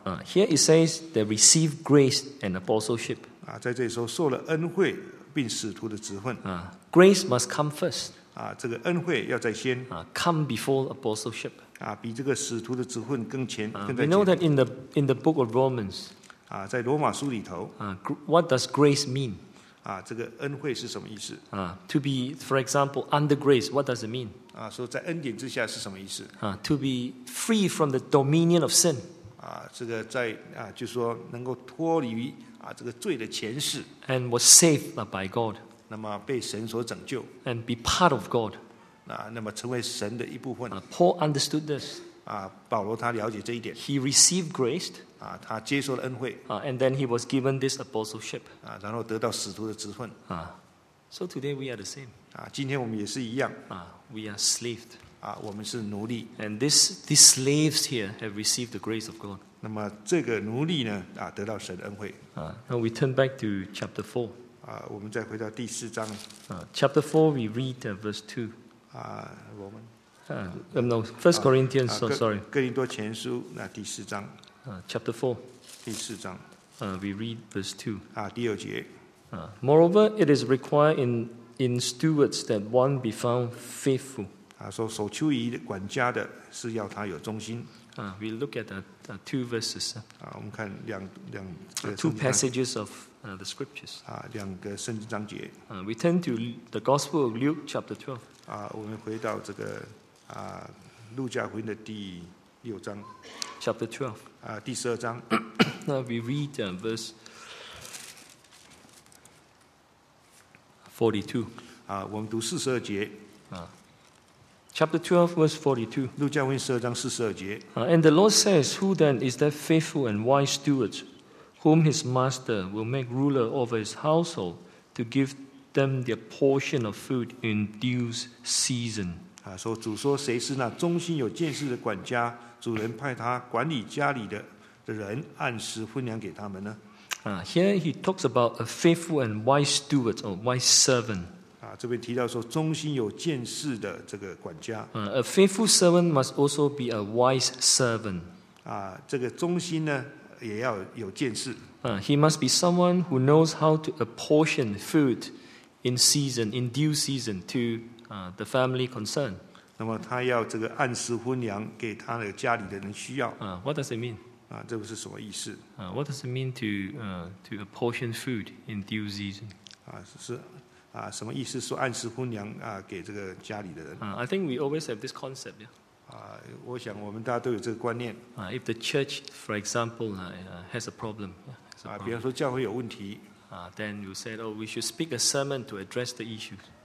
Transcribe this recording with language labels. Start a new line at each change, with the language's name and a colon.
English: Here it says they received grace and apostleship.
Chinese: 在这里说受了恩惠，并使徒的职分。
English: Grace must come first.
Chinese: 这个恩惠要在先。
English: Come before apostleship.
Chinese: 比这个使徒的职分更前。
English: We know that in the book of Romans.
Chinese: 在罗马书里头。
English: What does grace mean?
Chinese: 这个恩惠是什么意思?
English: To be, for example, under grace, what does it mean?
Chinese: 说在恩典之下是什么意思?
English: To be free from the dominion of sin.
Chinese: 这个就是说能够脱离这个罪的权势。
English: And was saved by God.
Chinese: 那么被神所拯救。
English: And be part of God.
Chinese: 那么成为神的一部分。
English: Paul understood this.
Chinese: 保罗他了解这一点。
English: He received grace.
Chinese: 他接受了恩惠。
English: And then he was given this apostleship.
Chinese: 然后得到使徒的职分。
English: So today we are the same.
Chinese: 今天我们也是一样。
English: We are slaves.
Chinese: 我们是奴隶。
English: And these slaves here have received the grace of God.
Chinese: 那么这个奴隶呢啊得到神的恩惠。
English: Now we turn back to chapter 4.
Chinese: 我们再回到第四章。
English: Chapter 4, we read verse 2. Roman. No, First Corinthians, so sorry.
Chinese: 哥林多前书那第四章。
English: Chapter 4.
Chinese: 第四章。
English: We read verse 2.
Chinese: 第二节。
English: Moreover, it is required in stewards that one be found faithful.
Chinese: 说守秋仪管家的是要他有忠心。
English: We look at two verses.
Chinese: 我们看两
English: two passages of the scriptures.
Chinese: 两个圣经章节。
English: We turn to the Gospel of Luke chapter 12.
Chinese: 我们回到这个路加福音的第六章。
English: Chapter 12.
Chinese: 第十二章。
English: We read verse 42.
Chinese: 我们读四十二节。
English: Chapter 12, verse 42.
Chinese: 路加福音十二章四十二节。
English: And the Lord says, Who then is that faithful and wise steward whom his master will make ruler over his household to give them their portion of food in due season?
Chinese: 说主说谁是那忠心有见识的管家，主人派他管理家里的人，按时分粮给他们呢？
English: Here he talks about a faithful and wise steward or wise servant.
Chinese: 这边提到说忠心有见识的这个管家。
English: A faithful servant must also be a wise servant.
Chinese: 这个忠心呢也要有见识。
English: He must be someone who knows how to apportion food in season, in due season to the family concerned.
Chinese: 那么他要这个按时分粮给他的家里的人需要。
English: What does it mean?
Chinese: 这个是什么意思？
English: What does it mean to apportion food in due season?
Chinese: 什么意思说按时分粮给这个家里的人。
English: I think we always have this concept.
Chinese: 我想我们大家都有这个观念。
English: If the church, for example, has a problem.
Chinese: 比方说教会有问题。
English: Then you said, oh, we should speak a sermon to address the issues.